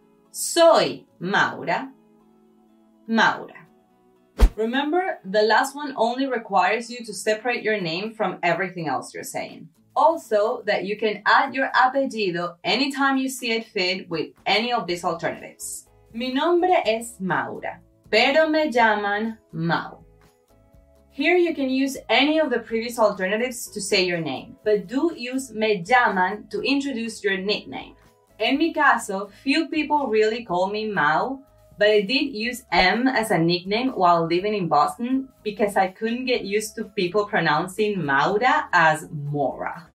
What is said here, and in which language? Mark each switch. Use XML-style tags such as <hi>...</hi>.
<es>Soy Maura. Maura.</es> <en>Remember, the last one only requires you to separate your name from everything else you're saying. Also, that you can add your apellido anytime you see it fit with any of these alternatives.</en> <es>Mi nombre es Maura, pero me llaman Mau.</es> <en>Here you can use any of the previous alternatives to say your name, but do use</en> <es>me llaman</es> <en>to introduce your nickname. In</en> <es>mi caso,</es> <en>few people really call me Mau, but I did use M as a nickname while living in Boston because I couldn't get used to people pronouncing Maura as Mora.</en>